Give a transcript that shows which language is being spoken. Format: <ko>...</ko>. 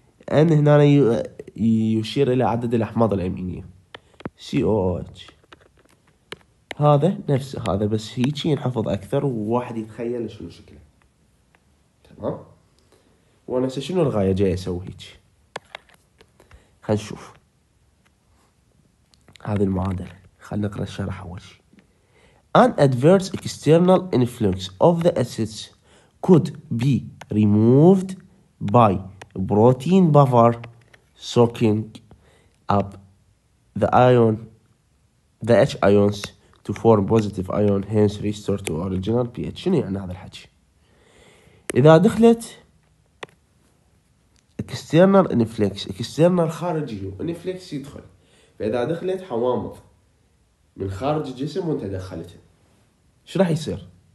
<ar>N هنا يشير إلى عدد الأحماض الأمينية، COOH هذا نفس هذا بس هيك ينحفظ أكثر وواحد يتخيل شنو شكله. تمام وأنا هسه شنو الغاية جاي أسوي هيك؟ هنشوف هذه المعادلة. خلنا نقرأ الشرح أول شيء.</ar> <en>An adverse external influence of the acids could be removed by protein buffer soaking up the H ions to form positive ion hence restore to original pH.</en> <ar>شنو يعني هذا الحكي؟ إذا دخلت external influence، external خارجي وانفلكس يدخل، فإذا دخلت حوامض من خارج الجسم وانت دخلته شو راح يصير؟</ar>